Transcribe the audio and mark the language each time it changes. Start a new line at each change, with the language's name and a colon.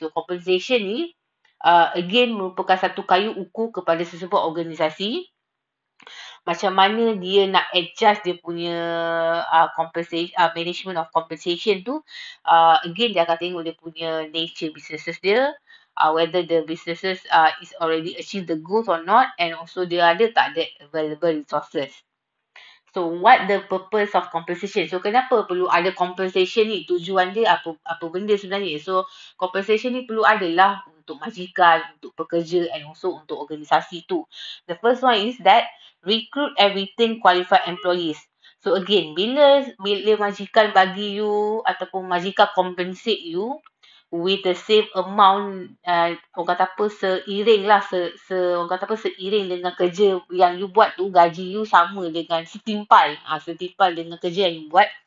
Malay: So, compensation ni again merupakan satu kayu ukur kepada sesebuah organisasi macam mana dia nak adjust dia punya compensation, management of compensation tu. Again, dia akan tengok dia punya nature businesses dia.
English: Whether the businesses is already achieved the goals or not, and also
Malay: dia ada tak ada
English: available resources. So what the purpose of compensation?
Malay: So kenapa perlu ada compensation ni? Tujuan dia apa, apa benda sebenarnya? So compensation ni perlu adalah untuk majikan, untuk pekerja and also untuk organisasi tu.
English: The first one is that recruit and retain qualified employees.
Malay: So again, bila majikan bagi you ataupun majikan compensate you with the same amount, orang kata apa, seiring lah, orang kata apa, seiring dengan kerja yang you buat tu, gaji you sama dengan setimpal, setimpal dengan kerja yang you buat.